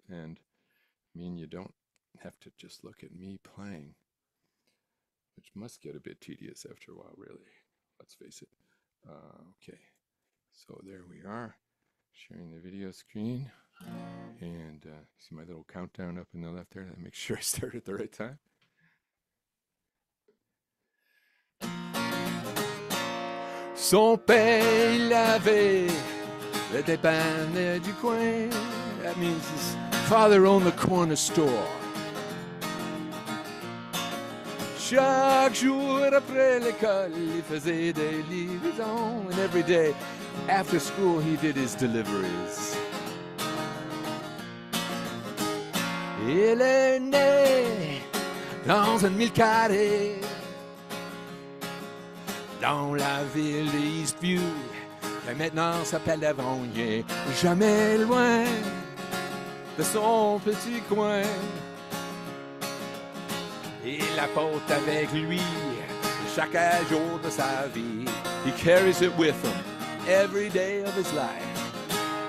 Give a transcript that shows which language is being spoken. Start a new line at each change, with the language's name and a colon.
English: And I mean, you don't have to just look at me playing, which must get a bit tedious after a while, really. Let's face it. Okay. So there we are, sharing the video screen. And see my little countdown up in the left there? Make sure I start at the right time.
French: Son père, il avait des panneaux du coin.
English: That means his father owned the corner store.
French: Chaque jour après l'école, il faisait des livraisons.
English: And every day after school, he did his deliveries.
French: Il est né dans un mille carré, dans la ville d'Eastview, qui maintenant s'appelle Avonier. Jamais loin de son petit coin, il la porte avec lui chaque jour de sa vie.
English: He carries it with him every day of his life.